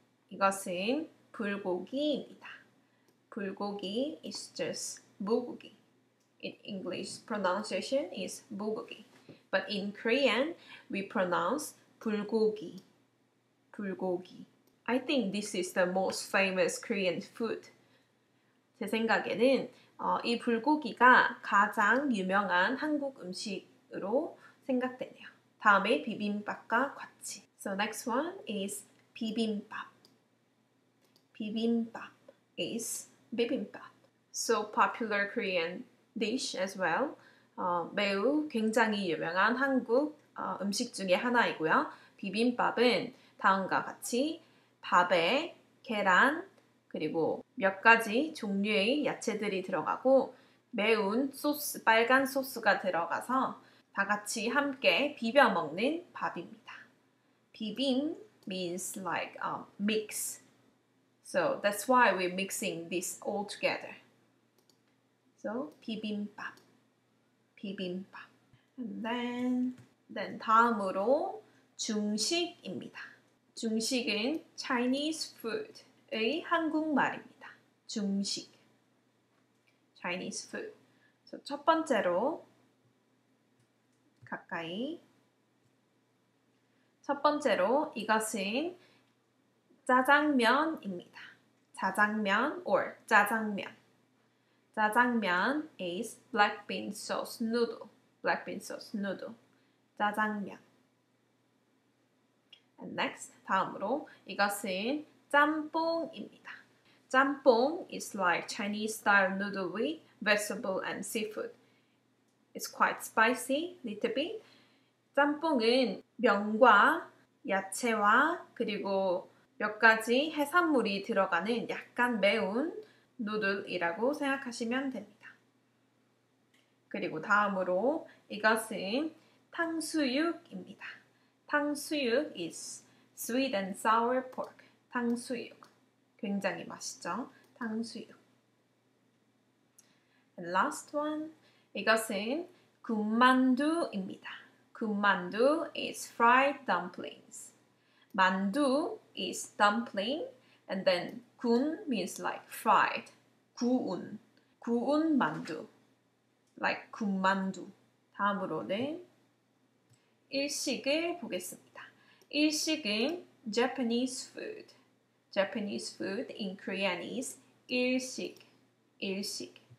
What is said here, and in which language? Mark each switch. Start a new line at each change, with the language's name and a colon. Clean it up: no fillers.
Korean: 이것은 불고기입니다. 불고기 is just 물고기.
English: In English, pronunciation is 물고기. But in Korean, we pronounce 불고기. 불고기. I think this is the most famous Korean food.
Korean: 제 생각에는 이 불고기가 가장 유명한 한국 음식으로 생각되네요. 다음에 비빔밥과 같이.
English: So next one is
Korean: 비빔밥.
English: 비빔밥 is 비빔밥. So popular Korean dish as well.
Korean: 매우 굉장히 유명한 한국 음식 중에 하나이고요. 비빔밥은 다음과 같이 밥에 계란 그리고 몇 가지 종류의 야채들이 들어가고 매운 소스, 빨간 소스가 들어가서 다 같이 함께 비벼 먹는 밥입니다.
English: 비빔 means like mix. So that's why we're mixing this all together.
Korean: So 비빔밥, 비빔밥.
English: And then
Korean: 다음으로 중식입니다. 중식은 Chinese food의 한국말입니다. 중식, Chinese food. So 첫 번째로 가까이. 첫 번째로 이것은 짜장면입니다. 짜장면 or 짜장면.
English: 짜장면 is black bean sauce noodle. Black bean sauce noodle. 짜장면. And next,
Korean: 다음으로 이것은 짬뽕입니다.
English: 짬뽕 is like Chinese style noodle with vegetable and seafood. It's quite spicy, little bit.
Korean: 짬뽕은 면과 야채와 그리고 몇 가지 해산물이 들어가는 약간 매운 누들이라고 생각하시면 됩니다. 그리고 다음으로 이것은 탕수육입니다.
English: 탕수육 is sweet and sour pork. 탕수육.
Korean: 굉장히 맛있죠? 탕수육.
English: And last one.
Korean: 이것은 군만두입니다.
English: 군만두 is fried dumplings. 만두 is dumpling and then 군 means like fried.
Korean: 구운. 구운 만두. Like 군만두. 다음으로는 일식을 보겠습니다.
English: 일식은 Japanese food. Japanese food in Korean is 일식. 일식.